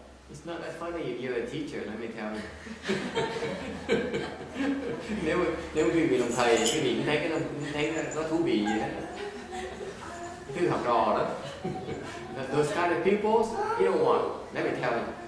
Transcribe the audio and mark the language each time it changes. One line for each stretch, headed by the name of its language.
English: It's not that funny if you're a teacher, let me tell you.
Vietnamese: Nếu quý vị làm thầy, quý vị thấy cái nó có thú vị gì hết. Thứ học trò đó.
English: Those kind of people, you don't want, let me tell you.